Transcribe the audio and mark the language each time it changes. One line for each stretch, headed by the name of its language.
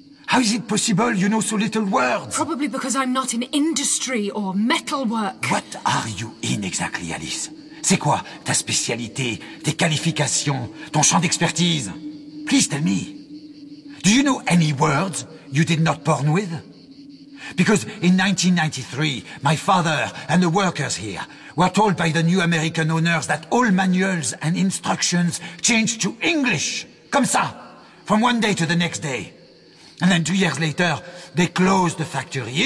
English: How is it possible you know so little words? Probably because I'm not in industry or metalwork. What are you in exactly, Alice?
French: C'est quoi ta spécialité, tes qualifications, ton champ d'expertise?
English: Please tell me. Do you know any words you did not born with? Because in 1993, my father and the workers here were told by the new American owners that all manuals and instructions changed to English.
French: Comme ça.
English: From one day to the next day. And then 2 years later, they closed the factory.